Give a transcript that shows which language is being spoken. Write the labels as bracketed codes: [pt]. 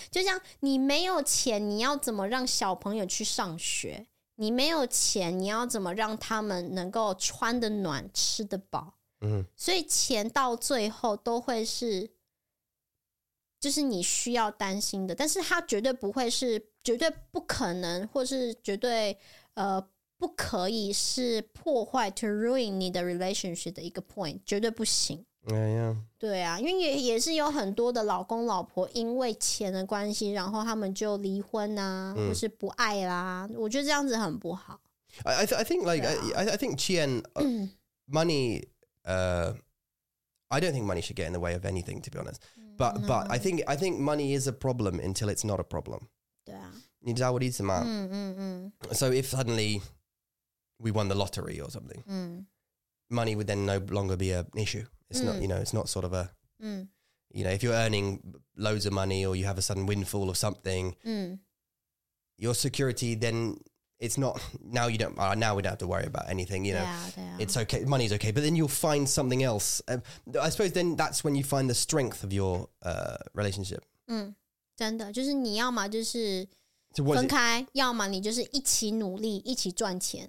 [zh] 就像你没有钱你要怎么让小朋友去上学，你没有钱你要怎么让他们能够穿得暖吃得饱，所以钱到最后都会是就是你需要担心的，但是它绝对不会是绝对不可能或是绝对不可以是破坏 to ruin 你的 relationship 的一个 point， 绝对不行。哎呀，对啊，因为也是有很多的老公老婆因为钱的关系然后他们就离婚啊，或是不爱啦，我觉得这样子很不好。 [en] I think 钱money I don't think money should get in the way of anything, to be honest. But I think money is a problem until it's not a problem. [zh] 对啊，你知道我的意思吗？ [en] So if suddenly we won the lottery or something, money would then no longer be an issue. It's not, you know, it's not sort of a, you know, if you're earning loads of money or you have a sudden windfall or something, your security then... It's not, now you don't, now we don't have to worry about anything, you know. Yeah. It's okay, money's okay, but then you'll find something else. I suppose then that's when you find the strength of your relationship. [zh] 真的,就是你要嘛就是分开,要嘛你就是一起努力,一起赚钱。